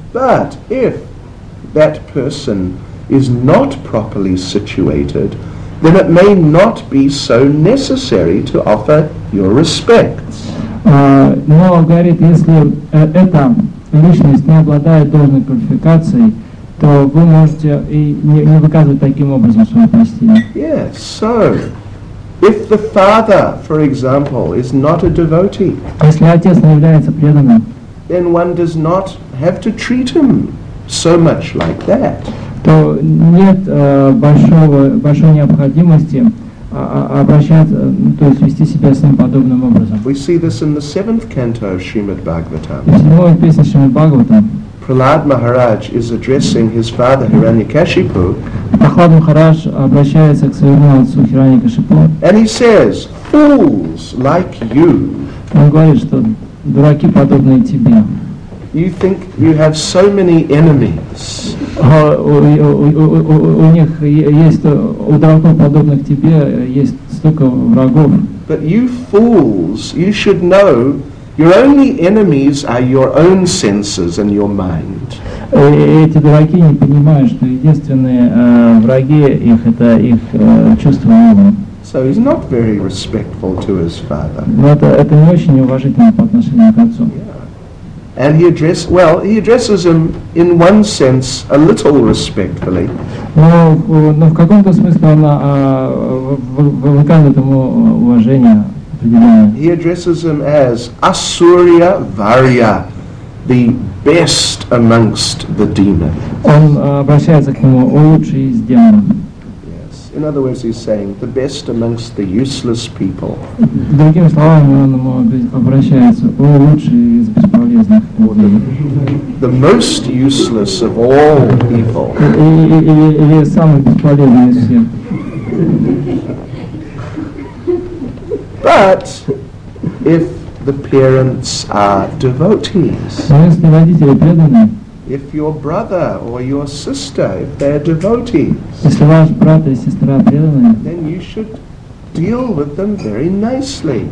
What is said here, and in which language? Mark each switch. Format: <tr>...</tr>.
<en>But if that person is not properly situated, then it may not be so necessary to offer your respects.</en> <ru>Но, говорит, если эта личность не обладает должной квалификацией, то вы можете и не выказывать таким образом свое почтение.</ru> <en>Yes, so, if the father, for example, is not a devotee,</en> <ru>если отец не является преданным,</ru> <en>then one does not have to treat him so much like that.</en> <ru>То нет большой необходимости обращаться, то есть вести себя с ним подобным образом.</ru> <en>We see this in the seventh canto of Srimad Bhagavatam.</en> <ru>Седьмой песне Шримад Бхагаватам.</ru> <en>Prahlad Maharaj is addressing his father Hiranyakashipu.</en> <ru>Prahlad Maharaj обращается к своему отцу Хираньякашипу.</ru> <en>And he says, "Fools like you."</en> <ru>Он говорит, что дураки подобные тебе.</ru> <en>You think you have so many enemies.</en> <ru>У них есть у дураков подобных тебе есть столько врагов.</ru> <en>But you fools, you should know. Your only enemies are your own senses and your mind.</en> <ru>Эти дураки не понимают, что единственные враги их это их чувства ума.</ru> <en>So he's not very respectful to his father.</en> <ru>Но это не очень уважительно по отношению к отцу.</ru> <en>And he addresses him in one sense a little respectfully.</en> <ru>Но в каком-то смысле он выказывает ему уважение.</ru> <en>He addresses him as Asurya Varya, the best amongst the demons.</en> <ru>Он обращается к нему лучший из демонов.</ru> <en>Yes. In other words, he's saying the best amongst the useless people.</en> <ru>Другими словами, он ему обращается лучший из бесполезных.</ru> <en>The most useless of all people.</en> <ru>Или самый бесполезный из всех.</ru> <en>But if the parents are devotees, if your brother or your sister, if they're devotees, then you should deal with them very nicely.</en>